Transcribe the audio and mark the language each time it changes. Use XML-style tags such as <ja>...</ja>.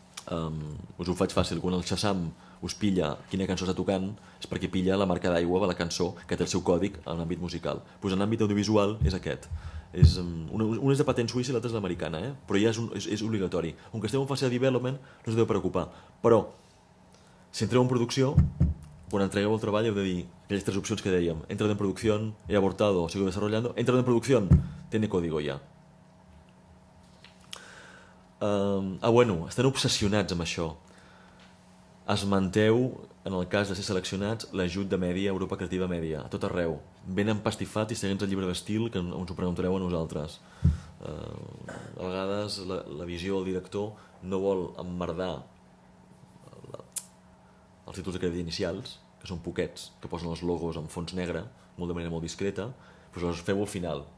<ca>Us ho faig fàcil. Quan el Shazam us pilla quina cançó està tocant, és perquè pilla la marca d'aigua de la cançó que té el seu còdic en l'àmbit musical. Pues en l'àmbit audiovisual és aquest. Un és de patent suïssa i l'altre és l'americana, però ja és obligatori. Com que estem en fase de development, no us deu preocupar. Però, si entreu en producció, quan entregueu el treball heu de dir aquelles tres opcions que dèiem.</ca> <es>Entra en producció, he abortado, sigo desarrollando. Entra en producció, tiene código ya.</es> <ca>Estan obsessionats amb això. Es manteu, en el cas de ser seleccionats, l'ajut de mèdia, Europa Creativa Mèdia, a tot arreu. Ben empastifat i seguint el llibre d'estil que ens ho preguntareu a nosaltres. A vegades la visió del director no vol emmerdar els títols de crèdit inicials, que són poquets, que posen els logos en fons negre, molt de manera molt discreta, però doncs feu al final.</ca>